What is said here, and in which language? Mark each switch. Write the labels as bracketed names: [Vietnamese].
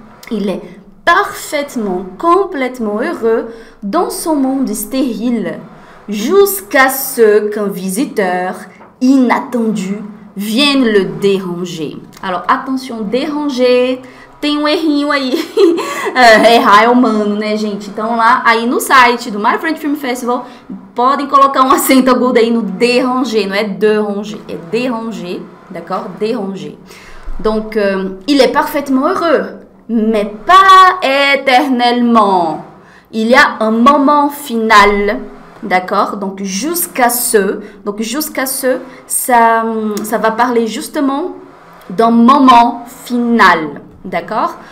[French] Il est parfaitement, complètement heureux dans son monde stérile. Jusqu'à ce qu'un visiteur inattendu vienne le déranger. Alors, attention, déranger. [Portuguese] Tem um errinho aí. errar é humano, né, gente? Então, lá, aí no site do My French Film Festival, podem colocar um acento agudo aí no déranger, não é déranger, é déranger, d'accord? [French] Déranger. Donc, il est parfaitement heureux, mais pas éternellement. Il y a un moment final, d'accord? Donc, jusqu'à ce, ça va parler justement d'un moment final, d'accord?